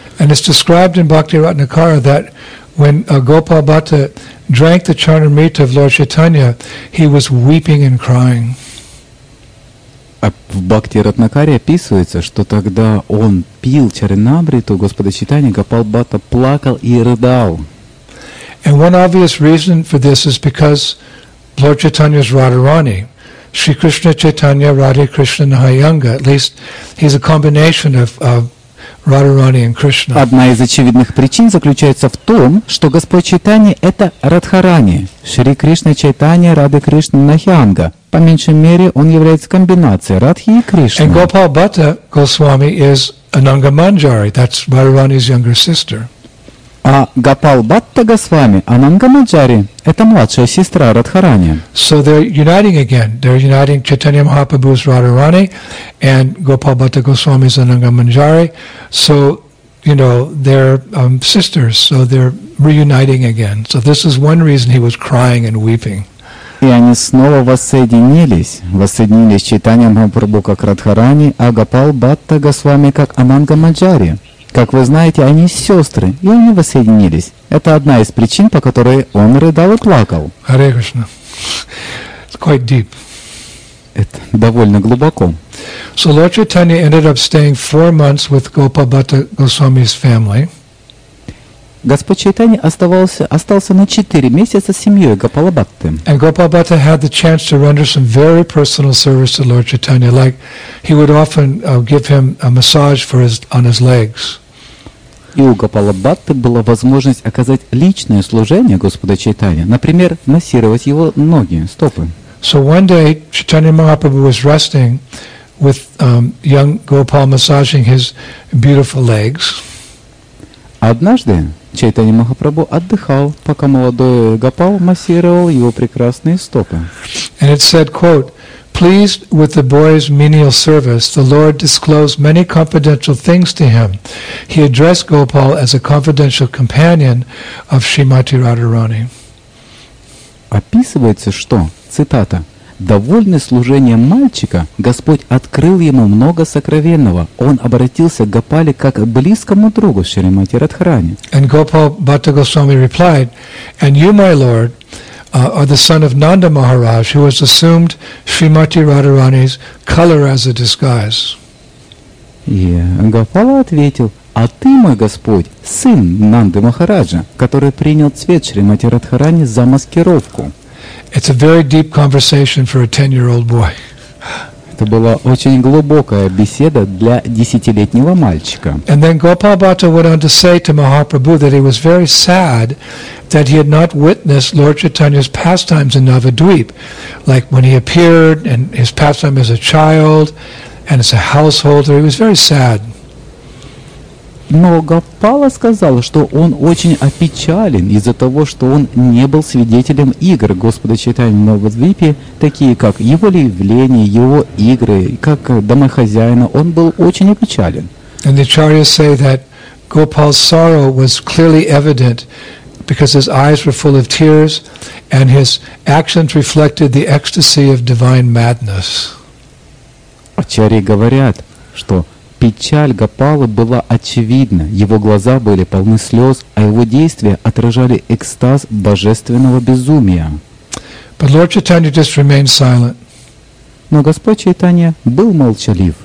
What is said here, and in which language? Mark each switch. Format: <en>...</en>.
<en>And it's described in Bhakti Ratnakara that when Gopal Bhatta drank the Charnamrita of Lord Chaitanya, he was weeping and crying.</en> <ru>А в Бхакти Ратнакаре описывается, что тогда он пил чаринамриту Господа Чайтанья, Гопал Бхатта плакал и рыдал.</ru> <en>And one obvious reason for this is because Lord Chaitanya is Radharani. Shri Krishna Chaitanya, Radhe Krishna Nahayanga. At least, he's a combination of Radharani and Krishna.</en> <ru>Одна из очевидных причин заключается в том, что Господь Чайтанья – это Радхарани. Шри Кришна Чайтанья, Радхе Кришна Нахьянга. По меньшей мере, он является комбинацией Радхи и Кришны.</ru> <en>And Gopal Bhatta Goswami is Ananga Manjari. That's Radharani's younger sister.</en> <ru>А Гопал Бхатта Госвами, Ананга Манджари, это младшая сестра Радхарани.</ru> <en>So they're uniting again. They're uniting Chaitanya Mahaprabhu's Radharani and Gopal Bhatta Goswami's Ananga Manjari. So, you know, they're sisters. So they're reuniting again. So this is one reason he was crying and weeping.</en> <ru>И они снова воссоединились Чайтанья Махапрабху как Радхарани, а Гопал Бхатта Госвами как Ананга Манджари. Как вы знаете, они сестры, и они воссоединились. Это одна из причин, по которой он рыдал и плакал.</ru> <en>Харе Кришна. Quite deep.</en> <ru>Это довольно глубоко.</ru> <en>So Lord Chaitanya ended up staying 4 months with Gopal Bhatta Goswami's family.</en> <ru>Господь Чайтани остался на 4 месяца с семьей Гопала Бхатты.</ru> <en>And Gopal Bhatta had the chance to render some very personal service to Lord Chaitanya, like he would often give him a massage for his on his legs.</en> <ru>И у Гопала Бхатты была возможность оказать личное служение Господу Чайтани, например, массировать его ноги, стопы.</ru> <en>So one day Chaitanya Mahaprabhu was resting with young Gopal massaging his beautiful legs.</en> <ru>Однажды Чайтанья Махапрабху отдыхал, пока молодой Гопал массировал его прекрасные стопы.</ru> <en>And it said, quote, "Pleased with the boy's menial service, the Lord disclosed many confidential things to him. He addressed Gopal as a confidential companion of Shrimati Radharani."</en> <ru>Описывается, что, цитата, «Довольный служением мальчика, Господь открыл ему много сокровенного. Он обратился к Гопале как к близкому другу Шримати Радхарани».</ru> <en>And Gopal Bhatta Goswami replied, "And you, my lord, are the son of Nanda Maharaj, who has assumed Shrimati Radharani's color as a disguise."</en> <ru>И Гопала ответил, "А ты, мой Господь, сын Нанды Махараджа, который принял цвет Шримати Радхарани за маскировку."</ru> <en>It's a very deep conversation for a 10-year-old boy.</en> <ru>Это была очень глубокая беседа для 10-летнего мальчика.</ru> <en>And then Gopal Bhatta went on to say to Mahaprabhu that he was very sad that he had not witnessed Lord Chaitanya's pastimes in Navadvip, like when he appeared and his pastime as a child and as a householder. He was very sad.</en> <ru>Но Гопала сказал, что он очень опечален из-за того, что он не был свидетелем игр Господа Чайтаньи Навадвипе, такие как его явление, его игры, как домохозяина. Он был очень опечален.</ru> <en>And the acharyas say that Gopal's sorrow was clearly evident because his eyes were full of tears and his actions reflected the ecstasy of divine madness.</en> <ru>Ачарьи говорят, что печаль Гопалы была очевидна, его глаза были полны слез, а его действия отражали экстаз божественного безумия.</ru> <en>But Lord Chaitanya just remained silent.</en> <ru>Но Господь Чайтанья был молчалив.</ru>